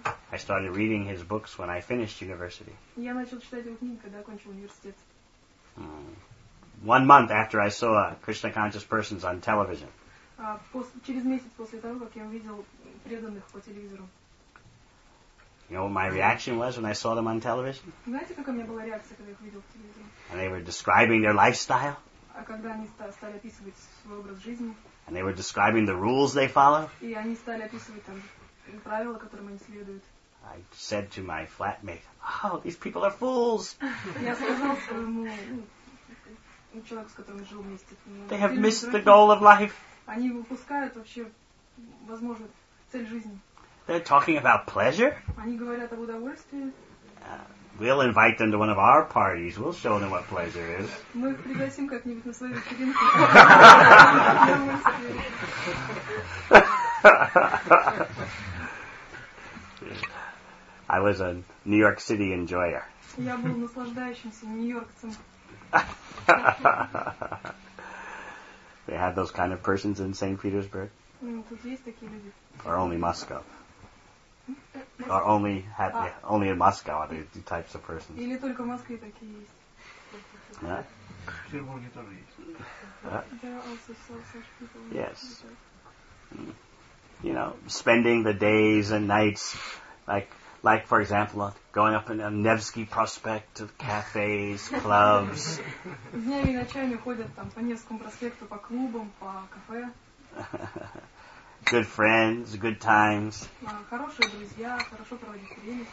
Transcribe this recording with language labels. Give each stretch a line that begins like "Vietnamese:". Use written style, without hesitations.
English: I started reading his books when I finished university. One month after I saw Krishna conscious persons on television. You know what my reaction was when I saw them on television?
Russian: Знаете, какая у меня была реакция, когда я их видел в телевизоре?
English: And they were describing their lifestyle.
Russian: А когда они стали описывать свой образ жизни?
English: And they were describing the rules they follow.
Russian: И они стали описывать там правила, которым они следуют.
English: I said to my flatmate, "Oh, these people are fools."
Russian: Я сказал своему человеку, с которым жил вместе.
English: They have missed the goal of life.
Russian: Они упускают вообще возможность цель жизни.
English: They're talking about pleasure?
Russian: Они говорят об удовольствии.
English: We'll invite them to one of our parties. We'll show them what pleasure is.
Russian: Мы их пригласим как-нибудь на свою вечеринку.
English: I was a New York City enjoyer.
Russian: Я был наслаждающимся нью-йоркцем.
English: They have those kind of persons in St. Petersburg?
Russian: Тут есть такие люди.
English: Or only Moscow? Or only have, yeah, only in Moscow are there types of persons.
Russian: Или только в Москве такие есть. В Петербурге тоже есть.
English: Yes. You know, spending the days and nights, like for example, going up in a Nevsky Prospect to cafes, clubs.
Russian: Днями и ночами ходят там по Невскому проспекту, по клубам, по кафе.
English: Good friends, good times.
Russian: Хорошие друзья, хорошо проводить время.